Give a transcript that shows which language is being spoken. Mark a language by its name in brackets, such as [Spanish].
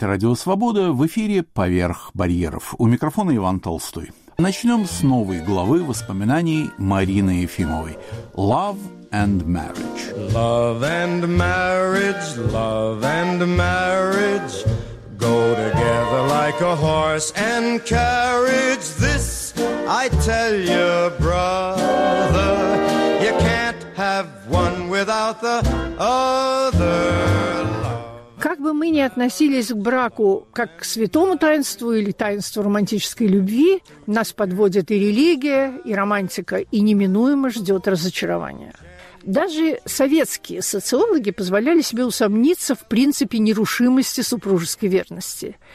[Russian] Радио «Свобода» в эфире «Поверх барьеров». У микрофона Иван Толстой. Начнем с новой главы воспоминаний Марины Ефимовой. [English] «Love and marriage». Love and marriage, love and marriage. Go together like a horse and carriage. This I tell your brother. You can't have one without the other. [Russian] Как бы мы ни относились к браку как к святому таинству или таинству романтической любви, нас подводит и религия, и романтика, и неминуемо ждет разочарование. Даже советские социологи позволяли себе усомниться в принципе нерушимости супружеской верности.